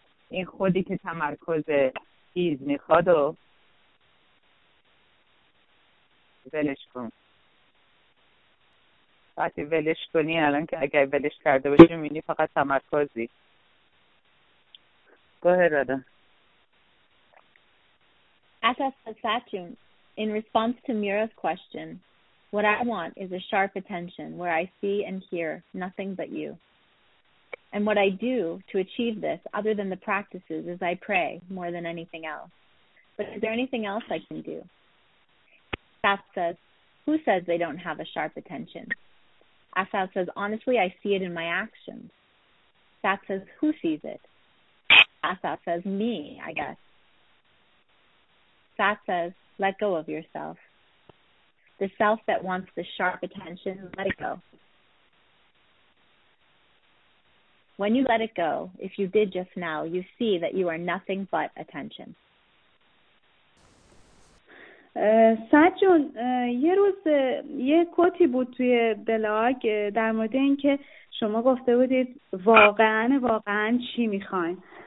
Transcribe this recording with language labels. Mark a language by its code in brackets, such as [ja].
[fa] این خودی که تمرکز تیز میخواد و ولش کن. وقتی ولش کنی، الان که اگر ولش کرده باشی میبینی فقط تمرکزی. [en] Go ahead, Radha. As I said, Satchin, in response to Mira's question, what I want is a sharp attention where I see and hear nothing but you. And what I do to achieve this, other than the practices, is I pray more than anything else. But is there anything else I can do? Asal says, who says they don't have a sharp attention? Asal says, honestly, I see it in my actions. Asal says, who sees it? Asal says, me, I guess. Asal says, let go of yourself. The self that wants the sharp attention, let it go. When you let it go, if you did just now, you see that you are nothing but attention. [fa] سجون یه روز یه کوتی بود توی بلاگ در مورد این که شما گفته بودید واقعا چی میخواین.